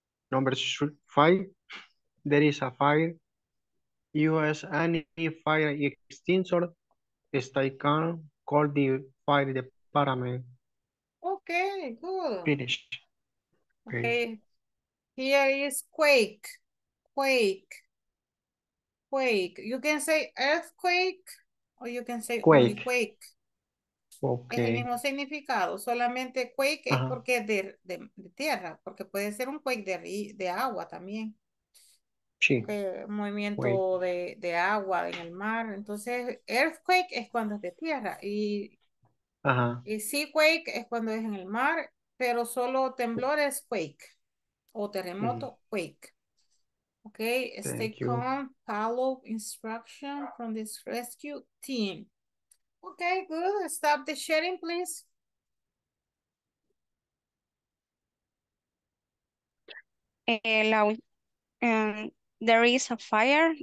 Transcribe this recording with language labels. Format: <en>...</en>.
<en>Number 5, there is a fire, use any fire extinguisher, stay calm, call the fire department. Okay, good. Finish. Okay. Here is quake, quake, quake. You can say earthquake or you can say quake. Only quake. Okay.</en> <es>Es el mismo significado, solamente quake es porque es de tierra, porque puede ser un quake de agua también. Sí. Movimiento de agua en el mar. Entonces, earthquake es cuando es de tierra y. Ajá. Y sí, quake es cuando es en el mar, pero solo temblor es quake. O terremoto, quake.</es> <en>Ok, stay calm, follow instruction from this rescue team. Ok, good. Stop the sharing, please. There is a fire.</en>